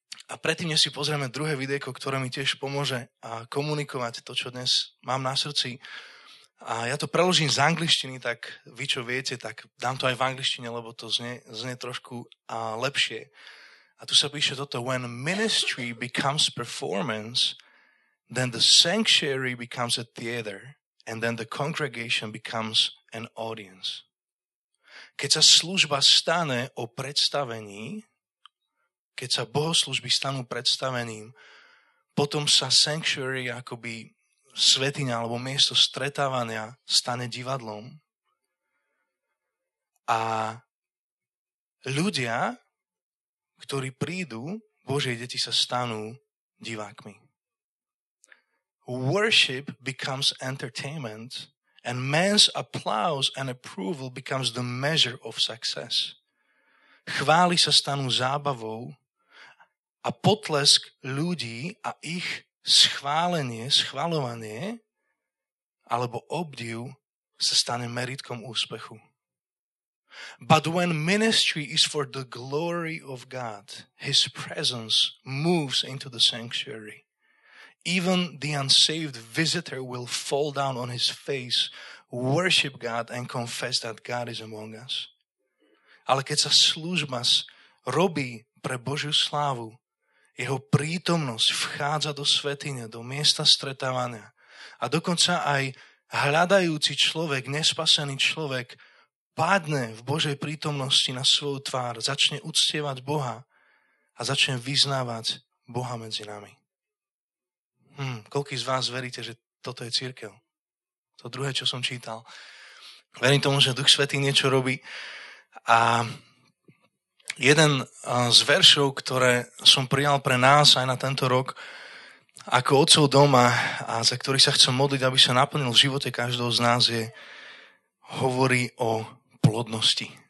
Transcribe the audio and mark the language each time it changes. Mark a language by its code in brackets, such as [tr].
[sk] A predtým, než si pozrieme druhé videjko, ktoré mi tiež pomôže a komunikovať to, čo dnes mám na srdci, a ja to preložím z angličtiny, tak vy, čo viete, tak dám to aj v angličtine, lebo to znie trošku lepšie. A tu sa píše toto, [en] when ministry becomes performance, then the sanctuary becomes a theater, and then the congregation becomes an audience. [sk] Keď sa služba stane o predstavení, keď sa bohoslužby stanú predstavením, potom sa sanctuary, akoby svätyňa alebo miesto stretávania, stane divadlom. A ľudia, ktorí prídu, Božie deti sa stanú divákmi. [en] Worship becomes entertainment and man's applause and approval becomes the measure of success. [sk] Chvály sa stanú zábavou a potlesk ľudí a ich schválenie, schvaľovanie alebo obdiv sa stane meritkom úspechu. [en] But when ministry is for the glory of God, His presence moves into the sanctuary. Even the unsaved visitor will fall down on his face, worship God and confess that God is among us. [sk] Ale keď sa služba robí pre Božiu slávu, jeho prítomnosť vchádza do svätyne, do miesta stretávania a dokonca aj hľadajúci človek, nespasený človek, padne v Božej prítomnosti na svoju tvár, začne uctievať Boha a začne vyznávať Boha medzi nami. Koľký z vás veríte, že toto je cirkev? To druhé, čo som čítal. Verím tomu, že Duch Svätý niečo robí. A jeden z veršov, ktoré som prijal pre nás aj na tento rok, ako otcov doma a za ktorý sa chcem modliť, aby sa naplnil v živote každého z nás, je, hovorí o plodnosti.